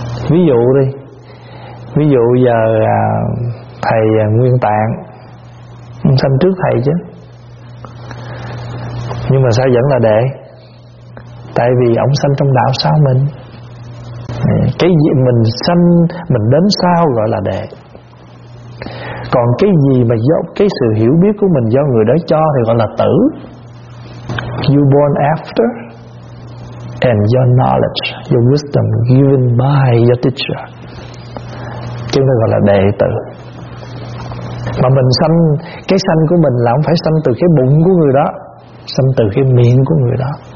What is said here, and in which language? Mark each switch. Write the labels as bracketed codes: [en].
[vi] Ví dụ đi, ví dụ giờ thầy Nguyên Tạng sanh trước thầy chứ, nhưng mà sao vẫn là đệ, tại vì ổng sanh trong đạo sao mình. Cái gì mình sanh mình đến sao gọi là đệ, còn cái gì mà do cái sự hiểu biết của mình do người đó cho thì gọi là tử. [en] You born after and your knowledge, your wisdom given by your teacher, [vi] chúng ta gọi là đệ tử. Mà mình sanh, cái sanh của mình là không phải sanh từ cái bụng của người đó, sanh từ cái miệng của người đó.